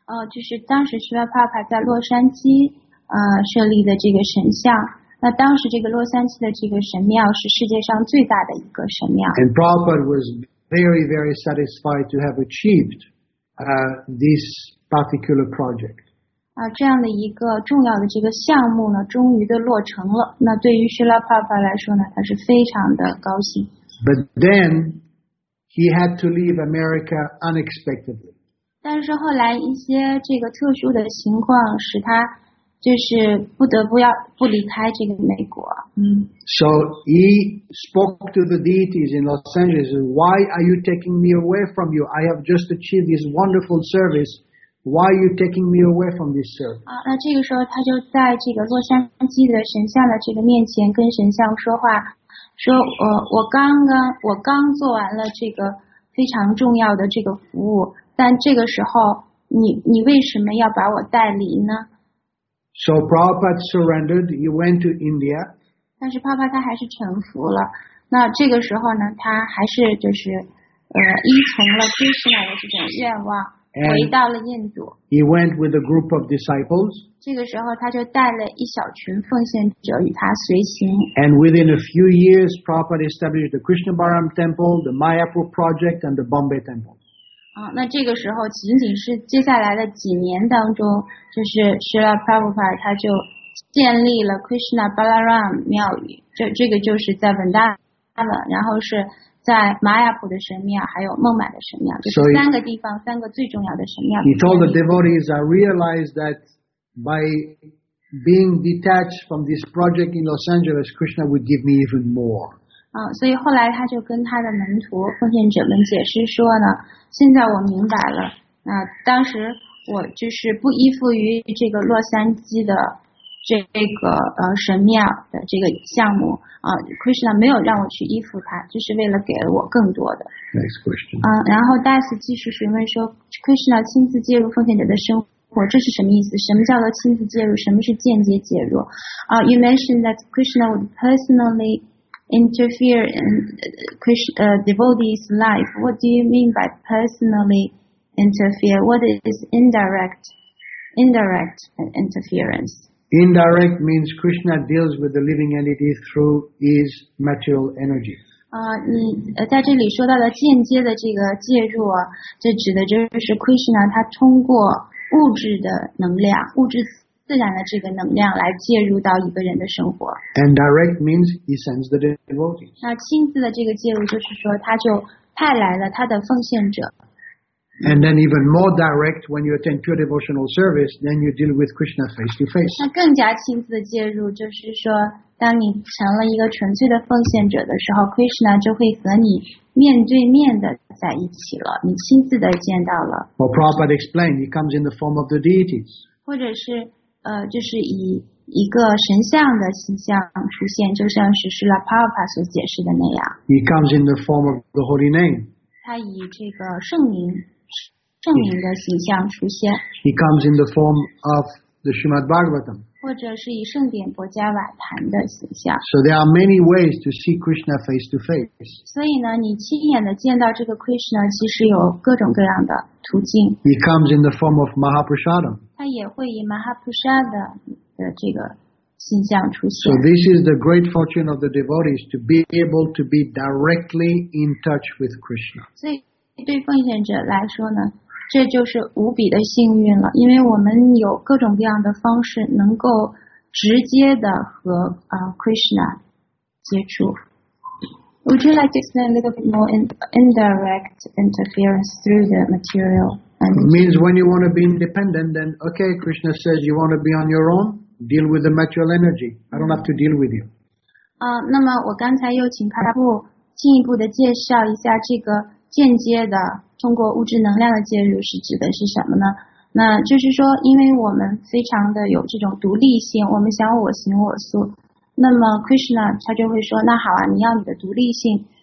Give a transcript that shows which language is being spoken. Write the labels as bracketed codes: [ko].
[zh] 就是当时 Srila Prabhupada 在洛杉矶设立的这个神像，那当时这个洛杉矶的这个神庙是世界上最大的一个神庙。 [en] And Prabhupada was very, very satisfied to have achieved this particular project. [zh] 这样的一个重要的这个项目呢，终于的落成了。那对于 Srila Prabhupada 来说呢，他是非常的高兴。 [en] But then he had to leave America unexpectedly. [zh] 但是后来一些这个特殊的情况使他就是不得不要不离开这个美国。嗯。 [en] So he spoke to the deities in Los Angeles. Why are you taking me away from you? I have just achieved this wonderful service. Why are you taking me away from this service? [zh] 啊，那这个时候他就在这个洛杉矶的神像的这个面前跟神像说话，说我刚做完了这个非常重要的这个服务，但这个时候你为什么要把我带离呢？ [en] So Prabhupada surrendered, he went to India. [zh] 但是 Prabhupada 他还是臣服了。那这个时候呢，他还是就是依从了 Krishna 的这种愿望，回到了印度。 [en] He went with a group of disciples. [zh] 这个时候他就带了一小群奉献者与他随行。 [en] And within a few years, Prabhupada established the Krishna Bharam Temple, the Mayapur Project, and the Bombay Temple. [zh] 那这个时候仅仅是接下来的几年当中，就是 Srila Prabhupada 他就建立了 Krishna Balaram 庙宇，这个就是在 Vrindavan， 然后是在 Mayapur 的神庙，还有孟买的神庙，就是三个地方，三个最重要的神庙。 [en] He told the devotees, I realized that by being detached from this project in Los Angeles, Krishna would give me even more. [zh] 所以后来他就跟他的门徒奉献者们解释说呢，现在我明白了，当时我就是不依附于这个洛杉矶的这个神庙的这个项目，Krishna 没有让我去依附他，就是为了给我更多的。 [en] Next question。 [zh] 然后Das继续询问说 ，Krishna 亲自介入奉献者的生活。这是什么意思？什么叫做亲自介入？什么是间接介入？ [en] You mentioned that Krishna would personally interfere in devotee's life. What do you mean by personally interfere? What is indirect interference? Indirect means Krishna deals with the living entity through his material energy. [zh] 你在这里说到的间接的这个介入啊，这指的就是 Krishna 他通过物质的能量，物质自然的这个能量来介入到一个人的生活。 [en] And direct means he sends the devotees. [zh] 那亲自的这个介入就是说他就派来了他的奉献者。 [en] And then even more direct, when you attend pure devotional service, then you deal with Krishna face to face. [zh] 那更加亲自的介入就是说当你成了一个纯粹的奉献者的时候， Krishna 就会和你面对面的在一起了，你亲自的见到了。 [en] Well, Prabhupada explained, he comes in the form of the deities. [zh] 或者是就是以一个神像的形象出现，就像是Srila Prabhupada所解释的那样。 [en] He comes in the form of the holy name. [zh] 他以这个圣名的形象出现。 [en] He comes in the form of the Srimad Bhagavatam. [zh] 或者是以圣典薄伽瓦坛的形象。 [en] So there are many ways to see Krishna face to face. [zh] 所以呢，你亲眼的见到这个 Krishna， 其实有各种各样的途径。 [en] He comes in the form of Mahaprasadam. [zh] 他也会以 Mahaprasada 的这个形象出现。 [en] So this is the great fortune of the devotees to be able to be directly in touch with Krishna. [zh] 所以对奉献者来说呢，这就是无比的幸运了，因为我们有各种各样的方式能够直接的和Krishna 接触。 [en] Would you like to explain a little bit more indirect interference through the material? It means when you want to be independent, then okay, Krishna says you want to be on your own, deal with the material energy. I don't have to deal with you. [zh] 那么我刚才又请帕拉布进一步的介绍一下这个间接的通过物质能量的介入是指的是什么呢？那就是说，因为我们非常的有这种独立性，我们想我行我素，那么 Krishna 他就会说，那好啊，你要你的独立性。